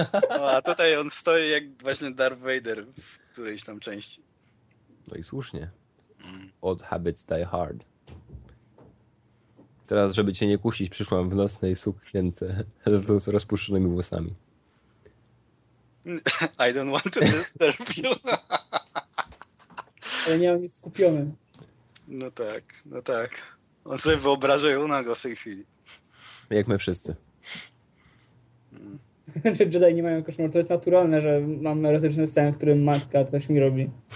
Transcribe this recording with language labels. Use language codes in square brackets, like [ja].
[pl] A tutaj on stoi jak właśnie Darth Vader w którejś tam części. No i słusznie. [en] Old habits die hard. [pl] Teraz, żeby cię nie kusić, przyszłam w nocnej sukience z rozpuszczonymi włosami. [en] I don't want to disturb you. [pl] Ale nie mam nic skupiony. No tak. On sobie wyobraża Yunago w tej chwili. Jak my wszyscy. Czy Jedi nie mają koszmaru? To jest naturalne, że mam erotyczny sen, w którym matka coś mi robi.